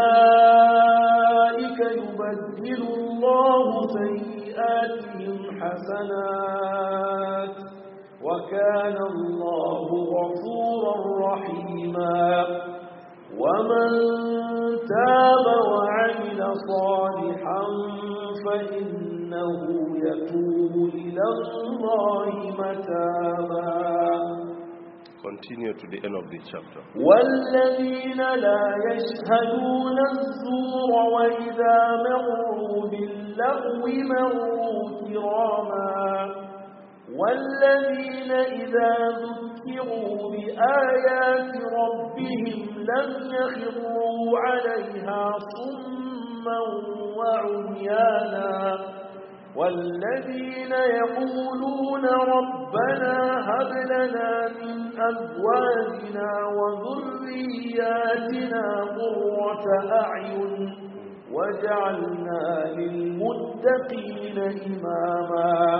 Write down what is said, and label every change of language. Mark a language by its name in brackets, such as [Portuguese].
[Arabic] فأولئك يبدل الله سيئاتهم حسنات وكان الله غفورا رحيما ومن تاب وعمل صالحا فإنه يتوب إلى الله متابا. [English] Continue to the end of the chapter. [Arabic] والذين لا يشهدون الزور وإذا مروا باللغو مروا كراما والذين إذا ذكروا بآيات ربهم لم يخروا عليها صما وعميانا والذين يقولون ربنا هب لنا من أزواجنا وذرياتنا قرة أعين واجعلنا للمتقين إماما